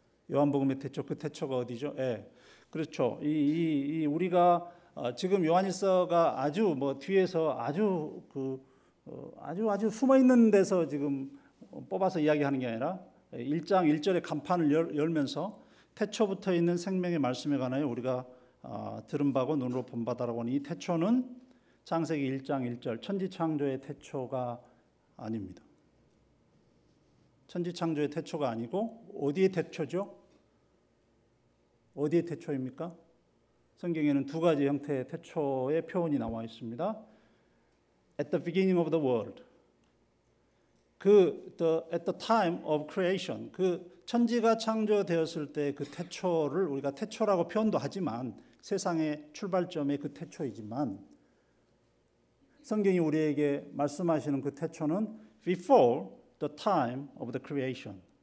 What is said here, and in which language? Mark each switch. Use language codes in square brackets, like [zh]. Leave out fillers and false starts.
[ko] 요한복음의 태초 그 태초가 어디죠? 예, 그렇죠. 이 우리가 지금 요한일서가 아주 뭐 뒤에서 아주 그 아주 숨어 있는 데서 지금 뽑아서 이야기하는 게 아니라 1장 1절의 간판을 열면서 태초부터 있는 생명의 말씀에 관하여 우리가 들은 바고 눈으로 본 바다라고 하는 이 태초는 창세기 1장 1절 천지 창조의 태초가 아닙니다. 천지 창조의 태초가 아니고 어디의 태초죠? 어디의 태초입니까? 성경에는 두 가지 형태의 태초의 표현이 나와 있습니다. [en] At the beginning of the world. 그 at the time of creation. [ko] 그 천지가 창조되었을 때 그 태초를 우리가 태초라고 표현도 하지만 세상의 출발점의 그 태초이지만 성경이 우리에게 말씀하시는 그 태초는 [en] before the time of the creation.